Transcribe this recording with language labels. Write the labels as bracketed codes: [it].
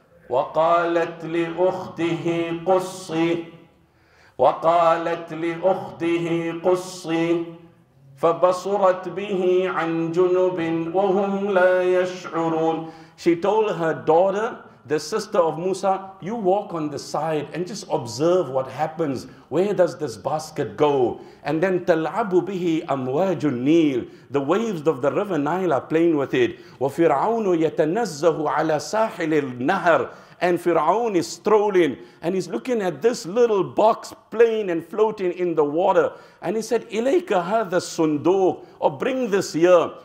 [ar] وَقَالَتْ لِأُخْتِهِ قُصِّي وَقَالَتْ لِأُخْتِهِ قُصِّي فَبَصُرَتْ بِهِ عَنْ جُنُبٍ وَهُمْ لَا يَشْعُرُونَ. [en] She told her daughter, the sister of Musa, you walk on the side and just observe what happens. Where does this basket go? And then [ar] تَلْعَبُ بِهِ أَمْوَاجُ النِّيلِ. [en] The waves of the river Nile are playing with it. [ar] وَفِرْعَوْنُ يَتَنَزَّهُ عَلَى سَاحِلِ النَّهَرِ. [en] And Fir'aun is strolling and he's looking at this little box playing and floating in the water. And he said, [ar] إِلَيْكَ هَذَا الصُّنْدُوقُ. [en] Or bring this here.